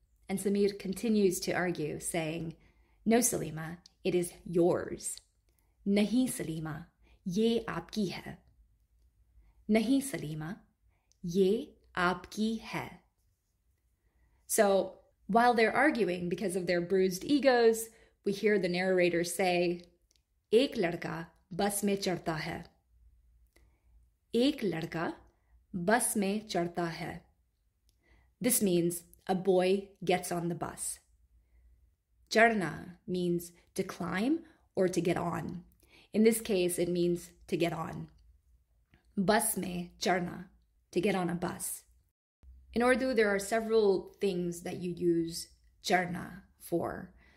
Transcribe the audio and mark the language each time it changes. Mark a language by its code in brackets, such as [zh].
[en] And Samir continues to argue, saying, no, Salima, it is yours. [ur] نہیں سلیمہ, یہ آپکی ہے. نہیں سلیمہ, یہ آپکی ہے. [en] So while they're arguing because of their bruised egos, we hear the narrator say, [ur] ek ladka bus mein chadta hai. ایک لڑکا بس میں چڑھتا ہے۔ [en] This means a boy gets on the bus. Charna means to climb or to get on. In this case, it means to get on. [ur] بس میں چڑھنا, [en] to get on a bus. In Urdu, there are several things that you use charna for.